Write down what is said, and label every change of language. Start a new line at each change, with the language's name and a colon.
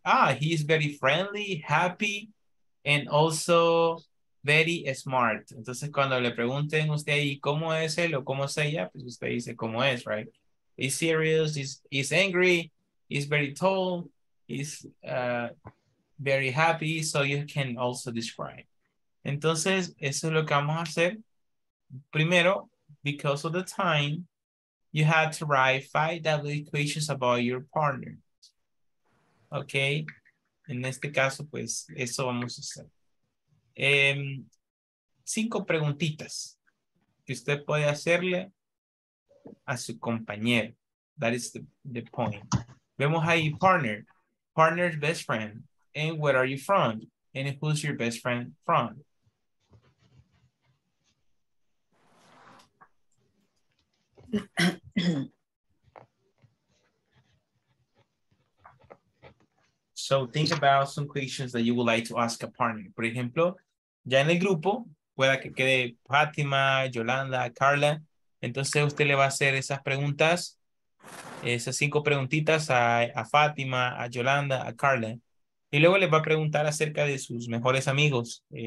English: Ah, he is very friendly, happy, and also very smart.
Spanish: Entonces, cuando le pregunten usted ahí, ¿cómo es él o cómo es ella? Pues usted dice, ¿cómo es,
English: right? He's serious, he's angry, he's very tall, he's very happy, so you can also describe.
Spanish: Entonces, eso es lo que vamos a hacer.
English: Primero, because of the time, you had to write 5 WH questions about your partner. Okay?
Spanish: En este caso, pues, eso vamos a hacer. 5 preguntitas que usted puede hacerle a su compañero.
English: That is the point.
Spanish: Vemos ahí,
English: partner's best friend. And where are you from? And who's your best friend from? So think about some questions that you would like to ask a partner.
Spanish: Por ejemplo, ya en el grupo, pueda que quede Fátima, Yolanda, Carla. Entonces usted le va a hacer esas preguntas, esas 5 preguntitas a Fátima, a Yolanda, a Carla. Y luego le va a preguntar acerca de sus mejores amigos.